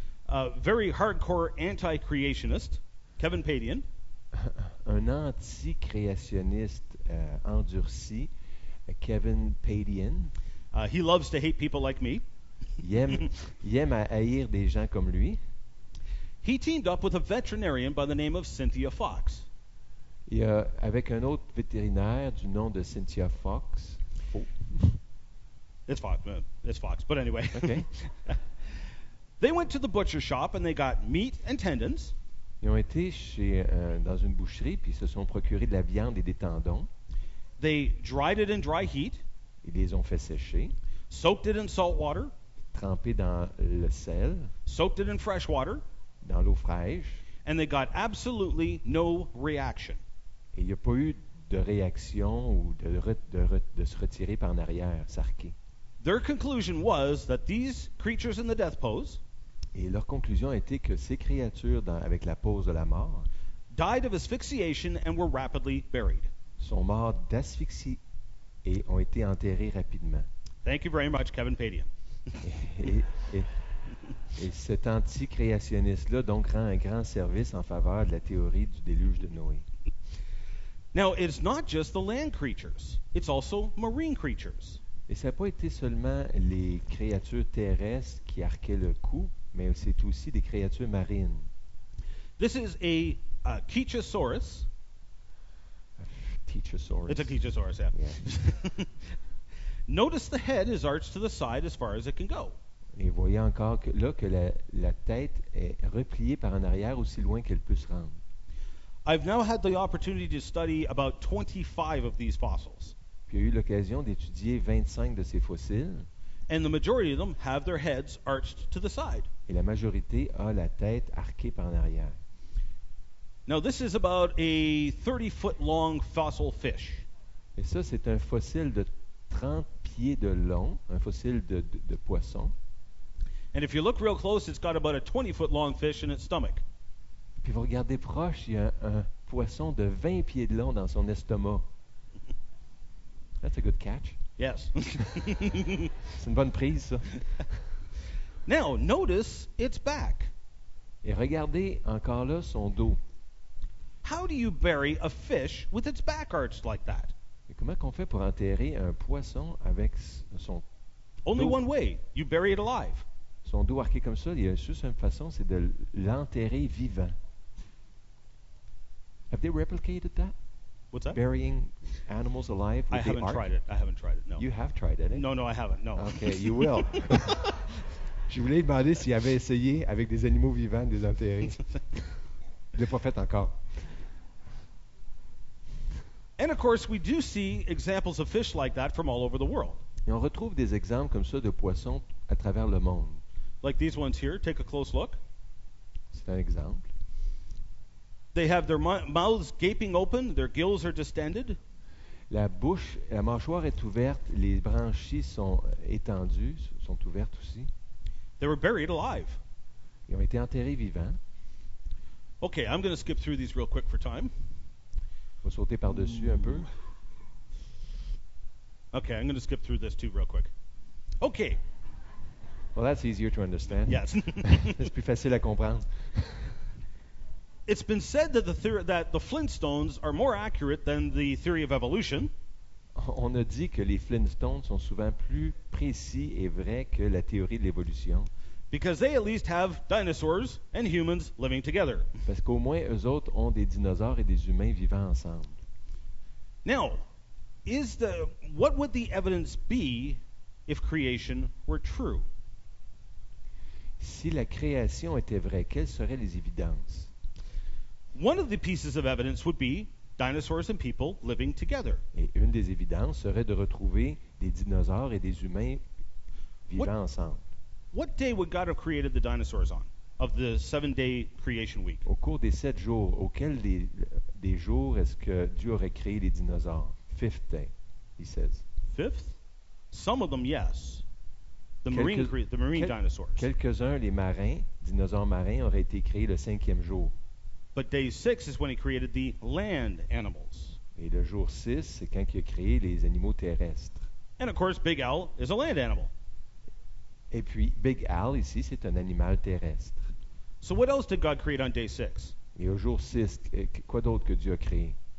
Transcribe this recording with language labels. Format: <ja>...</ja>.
<en>A very hardcore anti-creationist, Kevin Padian.</en> <fr>Un anti-créationniste endurci, Kevin Padian.</fr> <en>He loves to hate people like me.</en> <fr>Il aime à haïr des gens comme lui.</fr> <en>He teamed up with a veterinarian by the name of Cynthia Fox.</en> <fr>Et avec un autre vétérinaire du nom de Cynthia Fox.</fr> <en>Oh. It's Fox, but anyway. Okay. They went to the butcher shop and they got meat and tendons.</en> <fr>Ils ont été chez dans une boucherie puis se sont procurés de la viande et des tendons.</fr> <en>They dried it in dry heat.</en> <fr>Ils les ont fait sécher.</fr> <en>Soaked it in salt water.</en> <fr>Trempé dans le sel.</fr> <en>Soaked it in fresh water.</en> <fr>Dans l'eau fraîche.</fr> <en>And they got absolutely no reaction.</en> <fr>Et il n'y a pas eu de réaction ou de se retirer par en arrière, s'arquer.</fr> <en>Their conclusion was that these creatures in the death pose.</en> <fr>Et leur conclusion a été que ces créatures avec la pose de la mort.</fr> <en>Died of asphyxiation and were rapidly buried.</en> <fr>Sont morts d'asphyxie et ont été enterrés rapidement.</fr> <en>Thank you very much, Kevin Padian.</en> <fr>Et cet anti-créationniste-là donc rend un grand service en faveur de la théorie du déluge de Noé.</fr> <en>Now, it's not just the land creatures, it's also marine creatures.</en> <fr>Et ça n'a pas été seulement les créatures terrestres qui arquaient le coup, mais c'est aussi des créatures marines.</fr> <en>This is a Kichosaurus. It's a Kichosaurus, yeah. Notice the head is arched to the side as far as it can go.</en> <fr>Et voyez encore que, là que la tête est repliée par en arrière aussi loin qu'elle peut se rendre.</fr> <en>I've now had the opportunity to study about 25 of these fossils.</en> <fr>Puis j'ai eu l'occasion d'étudier 25 de ces fossiles.</fr> <en>And the majority of them have their heads arched to the side.</en> <fr>Et la majorité a la tête arquée par en arrière.</fr> <en>Now this is about a 30-foot long fossil fish.</en> <fr>Et ça c'est un fossile de 30 pieds de long, un fossile de poisson.</fr> <en>And if you look real close, it's got about a 20-foot long fish in its stomach.</en> <fr>Puis vous regardez proche, il y a un poisson de 20 pieds de long dans son estomac.</fr> <en>That's a good catch. Yes.</en> <fr>C'est une bonne prise, ça.</fr> <en>Now, notice its back.</en> <fr>Et regardez encore là son dos.</fr> <en>How do you bury a fish with its back arched like that?</en> <fr>Et comment qu'on fait pour enterrer un poisson avec son dos?</fr> <en>Only one way. You bury it alive.</en> <fr>Son dos arqué comme ça, il y a juste une façon, c'est de l'enterrer vivant.</fr> <en>Have they replicated that? What's that? Burying animals alive with the ark? I haven't tried it. I haven't tried it, no. You have tried it, eh? No, I haven't, no. Okay, you will.</en> <fr>Je voulais demander s'il avait essayé avec des animaux vivants de les enterrer. Il l'a pas fait encore.</fr> <en>And of course, we do see examples of fish like that from all over the world.</en> <fr>Et on retrouve des exemples comme ça de poissons à travers le monde.</fr> <en>Like these ones here. Take a close look.</en> <fr>C'est un exemple.</fr> <en>They have their mouths gaping open, their gills are distended.</en> <fr>La bouche, la mâchoire est ouverte, les branchies sont étendues, sont ouvertes aussi.</fr> <en>They were buried alive.</en> <fr>Ils ont été enterrés vivants.</fr> <en>Okay, I'm going to skip through these real quick for time.</en> <fr>On va sauter par-dessus un peu.</fr> <en>Okay, I'm going to skip through this too real quick. Okay. Well, that's easier to understand. Yes.</en> <fr>C'est plus facile à comprendre.</fr> <en>It's been said that the Flintstones are more accurate than the theory of evolution.</en> <fr>On a dit que les Flintstones sont souvent plus précis et vrais que la théorie de l'évolution.</fr> <en>Because they at least have dinosaurs and humans living together.</en> <fr>Parce qu'au moins eux autres ont des dinosaures et des humains vivant ensemble.</fr> <en>Now, what would the evidence be if creation were true?</en> <fr>Si la création était vraie, quelles seraient les évidences?</fr> <en>One of the pieces of evidence would be dinosaurs and people living together.</en> <fr>Et une des évidences serait de retrouver des dinosaures et des humains vivant ensemble.</fr> <en>What day would God have created the dinosaurs on of the 7-day creation week?</en> <fr>Au cours des 7 jours, auquel des jours est-ce que Dieu aurait créé les dinosaures?</fr> <en>Fifth day, he says. Fifth? Some of them, yes. The marine dinosaurs.</en> <fr>Quelques-uns, les marins, dinosaures marins, auraient été créés le cinquième jour.</fr> <en>But day 6 is when he created the land animals.</en> <fr>Et le jour 6, c'est quand il a créé les animaux terrestres.</fr> <en>And of course, Big Al is a land animal.</en> <fr>Et puis, Big Al, ici, c'est un animal terrestre.</fr> <en>So what else did God create on day 6?</en> <fr>Et au jour 6, quoi d'autre que Dieu a créé?</fr>